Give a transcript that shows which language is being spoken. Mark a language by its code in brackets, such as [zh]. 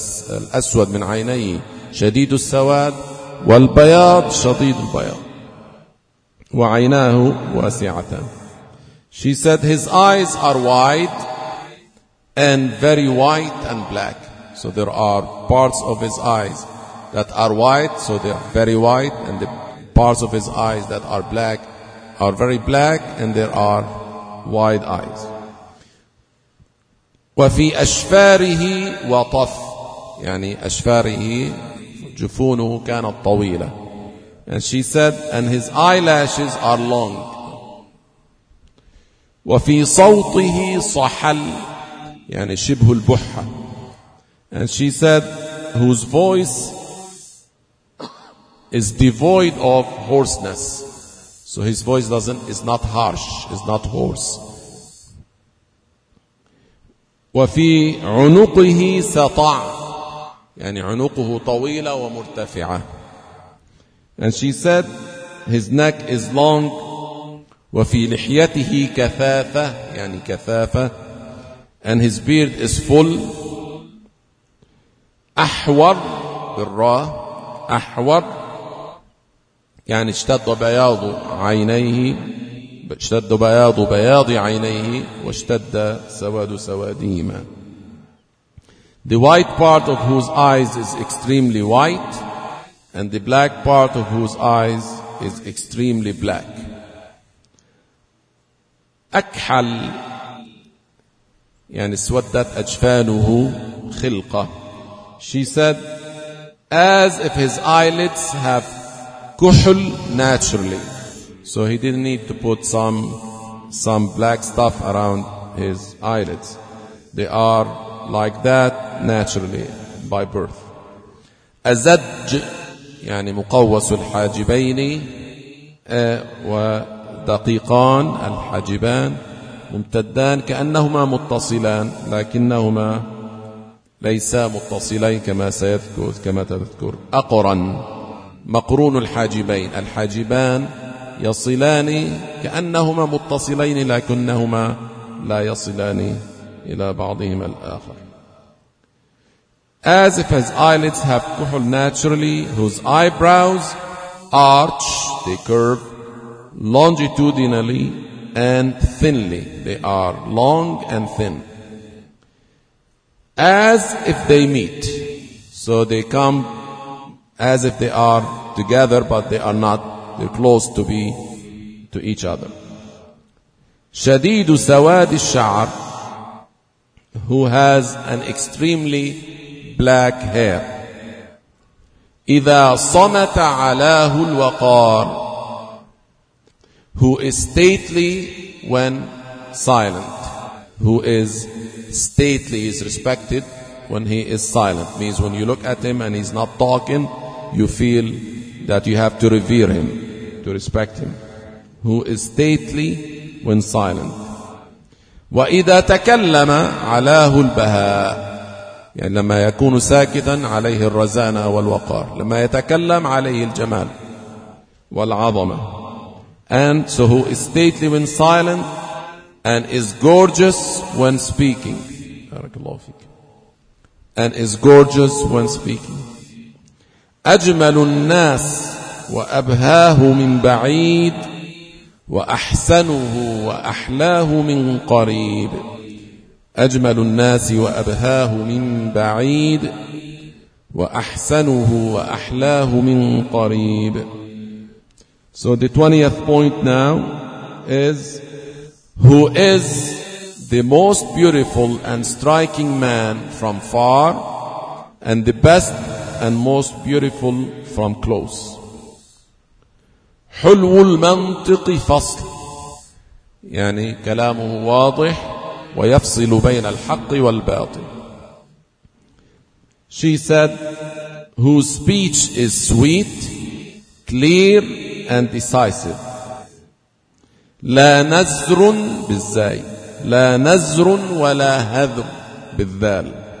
[ar] الأسود من عينيه شديد السواد. والبياض شديد البياض وعيناه واسعة. [en] She said his eyes are wide and very white and black. So there are parts of his eyes that are white, so they are very white, and the parts of his eyes that are black are very black, and there are wide eyes. [ar] وفي أشفاره وطف يعني أشفاره جفونه كانت طويلة. [en] And she said, and his eyelashes are long. [ar] وفي صوته صحل يعني شبه البحة. [en] And she said, whose voice is devoid of hoarseness. So his voice is not harsh, is not hoarse. [ar] وفي عنقه سطع يعني عنقه طويلة ومرتفعة. [en] And she said his neck is long. [ar] وفي لحيته كثافة يعني كثافة. [en] And his beard is full. [ar] أحور بالراء. أحور يعني اشتد بياض عينيه. اشتد بياض بياض عينيه واشتد سواد سوادهما. [en] The white part of whose eyes is extremely white, and the black part of whose eyes is extremely black. [ar] أكحل يعني سودت أجفانه خلقة. [en] She said, as if his eyelids have كحل naturally. So he didn't need to put some black stuff around his eyelids. They are like that naturally by birth. [ar] أزج يعني مقوس الحاجبين ودقيقان الحاجبان ممتدان كأنهما متصلان لكنهما ليسا متصلين كما تذكر. أقرن مقرون الحاجبين، الحاجبان يصلان كأنهما متصلين لكنهما لا يصلان إلى بعضهما الآخر. [en] As if his eyelids have kuhl naturally, whose eyebrows arch, they curve longitudinally and thinly. They are long and thin. As if they meet. So they come as if they are together, but they are not. They're close to be to each other. [ar] شديد سواد الشعر, [en] who has an extremely black hair. [ar] إذا صمت علاه الوقار, [en] who is stately when silent. Who is stately, is respected when he is silent. Means when you look at him and he's not talking, you feel that you have to revere him, to respect him. Who is stately when silent. [ar] وإذا تكلم علاه البهاء, يعني لما يكون ساكتا عليه الرزانة والوقار, لما يتكلم عليه الجمال والعظمة. [en] And so who is stately when silent and is gorgeous when speaking. [ar] Barakallahu fik. [en] And is gorgeous when speaking. [ar] أجمل الناس وأبهاه من بعيد وأحسنه وأحلاه من قريب. أجمل الناس وأبهاه من بعيد وأحسنه وأحلاه من قريب. [en] So the 20th point now is, who is the most beautiful and striking man from far, and the best and most beautiful from close. [ar] حلو المنطق فصل, يعني كلامه واضح ويفصل بين الحق والباطل. [en] She said, whose speech is sweet, clear and decisive. [ar] لا نزر بالزاي, لا نزر ولا هذر بالذال.